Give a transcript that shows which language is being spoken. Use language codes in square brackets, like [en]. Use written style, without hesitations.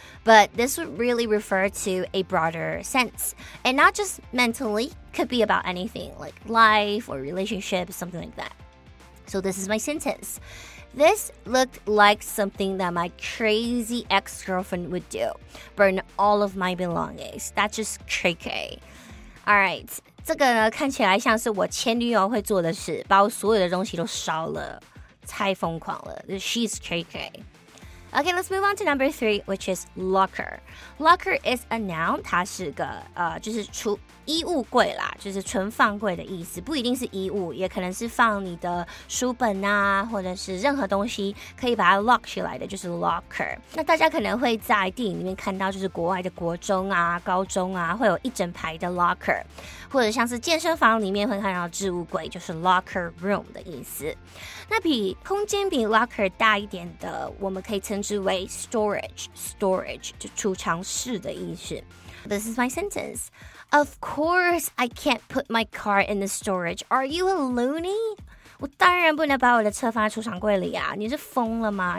[en] But this would really refer to a broader sense. And not just mentally, could be about anything, like life or relationship, something like that. So this is my sentence. This looked like something that my crazy ex-girlfriend would do. Burn all of my belongings. That's just tricky. [zh] Alright, 这个呢看起来像是我前女友会做的事，把我所有的东西都烧了，太疯狂了。 [en] She's tricky. Okay, let's move on to number three, which is locker. Locker is a noun. [zh] 它是个就是储衣物柜啦，就是存放柜的意思。不一定是衣物，也可能是放你的书本啊，或者是任何东西可以把它 lock 起来的，就是 locker. 那大家可能会在电影里面看到，就是国外的国中啊、高中啊，会有一整排的 locker， 或者像是健身房里面会看到置物柜，就是 locker room 的意思。那比空间比 locker 大一点的，我们可以称之为 storage 就储藏室的意思。 [en] This is my sentence. Of course I can't put my car in the storage. Are you a loony? [zh] 我当然不能把我的车放在储藏柜里啊，你是疯了吗？